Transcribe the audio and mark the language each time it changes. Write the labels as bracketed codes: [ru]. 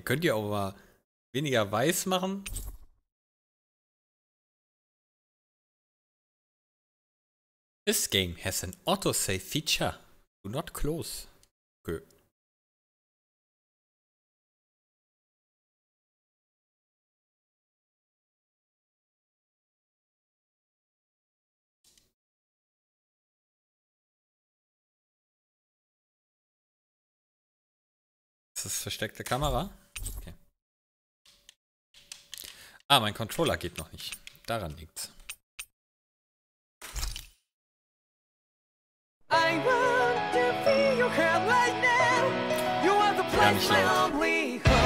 [de] Könnt ihr auch mal weniger weiß machen? [en] This game has an autosave feature. Do not close. Okay. [de] Das ist versteckte Kamera. Okay. Ah, mein Controller geht noch nicht. Daran liegt's. [en] I want to be your head lightning. You are the place my only